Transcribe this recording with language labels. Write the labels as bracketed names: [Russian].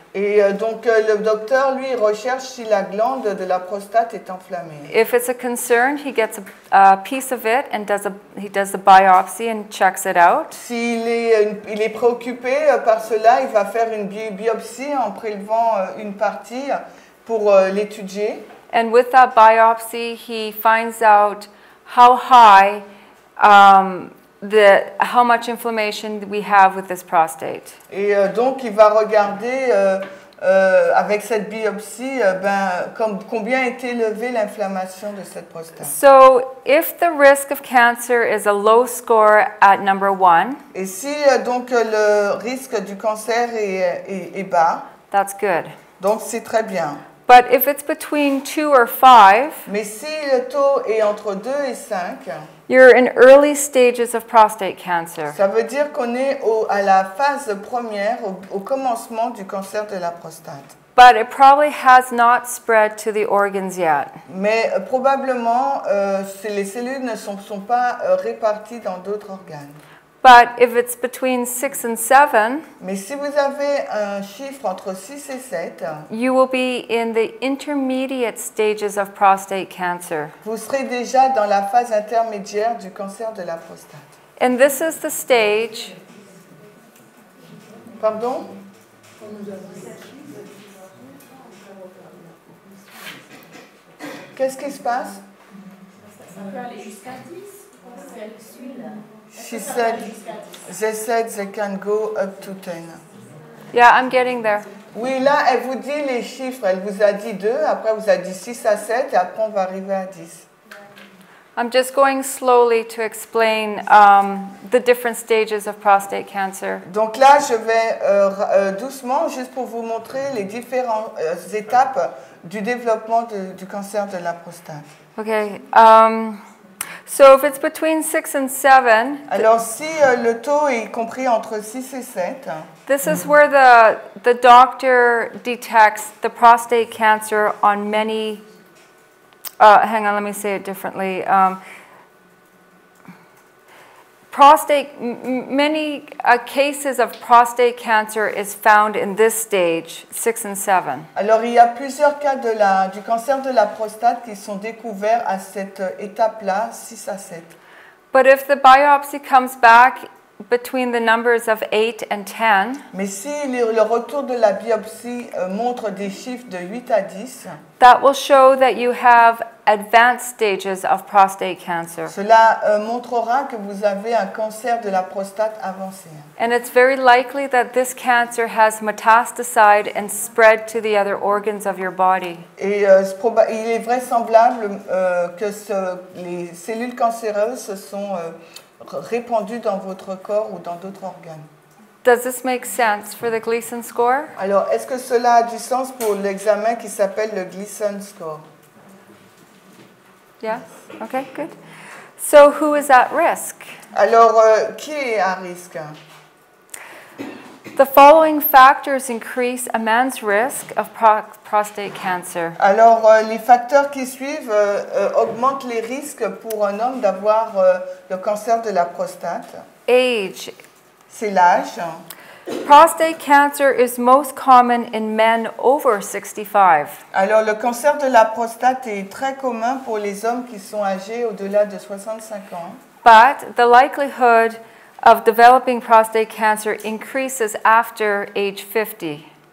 [French] Et donc le docteur lui recherche si la glande de la prostate est enflammée. [English] If it's a concern, he gets a piece of it and does the biopsy and checks it out. [French] S'il est préoccupé par cela, il va faire une biopsie en prélevant une partie pour l'étudier. [English] And with that biopsy, he finds out how high how much inflammation we have with this prostate. [French] Et donc il va regarder avec cette biopsie combien est élevée l'inflammation de cette prostate. [English] So if the risk of cancer is a low score at number one. [French] Et si donc le risque du cancer est bas. [English] That's good. [French] Donc c'est très bien. [English] But if it's between 2 or 5, [French] mais si le taux est entre 2 et 5, [English] you're in early stages of prostate cancer. [French] Ça veut dire qu'on est à la phase première, au commencement du cancer de la prostate. [English] But it probably has not spread to the organs yet. [French] Mais probablement, les cellules ne sont pas réparties dans d'autres organes. [English] But if it's between 6 and 7, [French] mais si vous avez un chiffre entre 6 et 7, [English] you will be in the intermediate stages of prostate cancer. [French] Vous serez déjà dans la phase intermédiaire du cancer de la prostate. [English] And this is the stage. [French] Pardon? Qu'est-ce qui se passe? Ça peut aller jusqu'à 10, si elle suit là. [English] She said, they said they can go up to 10. Yeah, I'm getting there. [French] Oui, là, elle vous dit les chiffres. Elle vous a dit 2, après vous a dit 6 à 7, et après on va arriver à 10. [English] I'm just going slowly to explain the different stages of prostate cancer. [French] Donc là, je vais doucement, juste pour vous montrer les différentes étapes du développement du cancer de la prostate. [English] Okay. So if it's between 6 and 7, [French] alors si le taux est compris entre 6 et 7, [English] this is where the doctor detects the prostate cancer on many. Hang on, let me say it differently. Many cases of prostate cancer is found in this stage, 6 and 7. [French] Alors il y a plusieurs cas de la du cancer de la prostate qui sont découverts à cette étape-là, 6 à 7. [English] But if the biopsy comes back between the numbers of 8 and 10. [French] Mais si le retour de la biopsie montre des chiffres de 8 à 10. [English] That will show that you have advanced stages of prostate cancer. [French] Cela montrera que vous avez un cancer de la prostate avancé. [English] And it's very likely that this cancer has metastasized and spread to the other organs of your body. [French] Et il est vraisemblable que les cellules cancéreuses se sont répandu dans votre corps ou dans d'autres organes. [English] Does this make sense for the Gleason score? [French] Alors, est-ce que cela a du sens pour l'examen qui s'appelle le Gleason score? [English] Yes. Okay, good. So, who is at risk? [French] Alors, qui est à risque? [English] The following factors increase a man's risk of prostate cancer. [French] Alors, les facteurs qui suivent augmentent les risques pour un homme d'avoir le cancer de la prostate. [English] Age. [French] C'est l'âge. [English] Prostate cancer is most common in men over 65. [French] Alors, le cancer de la prostate est très commun pour les hommes qui sont âgés au-delà de 65 ans. [English] But the likelihood of developing prostate cancer increases after age 50.